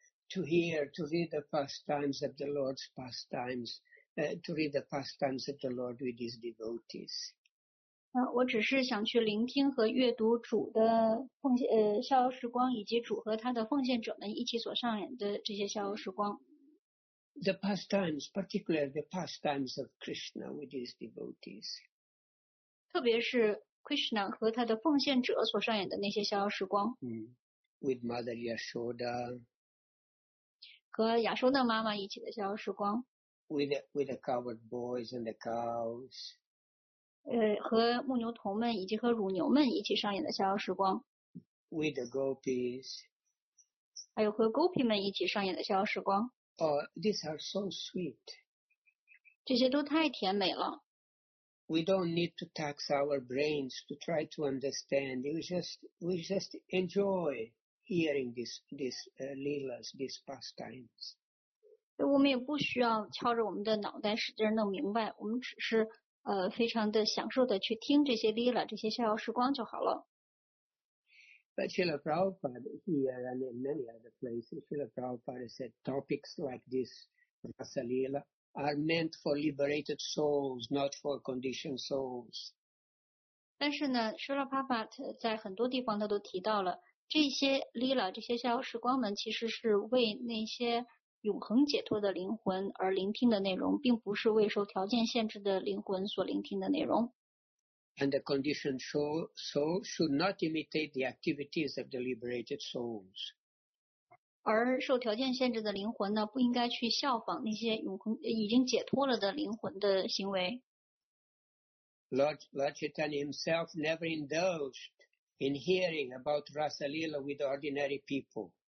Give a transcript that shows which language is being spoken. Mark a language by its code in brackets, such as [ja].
[en] To read the pastimes of the Lord's pastimes, to read the pastimes of the Lord with his devotees. [zh] 我只是想去聆听和阅读主的奉献逍遥时光，以及主和他的奉献者们一起所上演的这些逍遥时光。 [en] The pastimes, particularly the pastimes of Krishna with his devotees. [zh] 特别是 Krishna 和他的奉献者所上演的那些逍遥时光。 [en] With Mother Yashoda. [zh] 和亚修那妈妈一起的逍遥时光。 [en] With the cowherd boys and the cows. [zh] 和牧牛童们以及和乳牛们一起上演的逍遥时光。 [en] With the gopis. [zh] 还有和 gopi 们一起上演的逍遥时光。 [en] Oh, these are so sweet. [zh] 这些都太甜美了。 [en] We don't need to tax our brains to try to understand. We just enjoy hearing these leelas, these pastimes. [zh] 我们也不需要敲着我们的脑袋使劲弄明白，我们只是非常的享受的去听这些 leela, 这些逍遥时光就好了。 [en] But Srila Prabhupada here and in many other places, Srila Prabhupada said topics like this, Rasa Leela, are meant for liberated souls, not for conditioned souls. [zh] 但是呢 ，Srila Prabhupada 在很多地方他都提到了这些 Leela, 这些逍遥时光们其实是为那些永恒解脱的灵魂而聆听的内容，并不是为受条件限制的灵魂所聆听的内容。 [en] And the conditioned soul should not imitate the activities of the liberated souls. [zh] 而受条件限制的灵魂呢，不应该去效仿那些永恒已经解脱了的灵魂的行为。 [en] Lord Chaitanya himself never indulged in hearing about Rasa Leela with ordinary people.